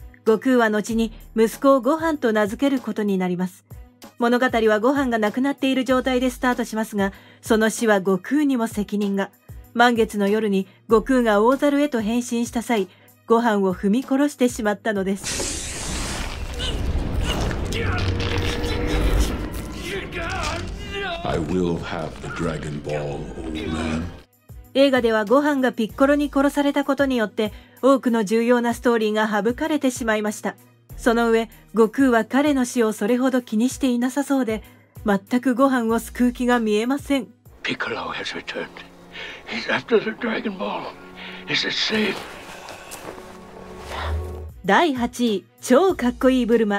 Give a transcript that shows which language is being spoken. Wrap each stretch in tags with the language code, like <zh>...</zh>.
<ja>悟空は後に息子をご飯と名付けることになります。物語はご飯がなくなっている状態でスタートしますが、その死は悟空にも責任が。満月の夜に悟空が大猿へと変身した際、ご飯を踏み殺してしまったのです。</ja> <en>I will have the dragon ball, old man.</en> <ja>映画ではご飯がピッコロに殺されたことによって、多くの重要なストーリーが省かれてしまいました。その上、悟空は彼の死をそれほど気にしていなさそうで、全くご飯を救う気が見えません。</ja> <en>ピッコロ has returned. He's after the dragon ball. Is it safe?</en> <ja>第8位、超かっこいいブルマ。</ja>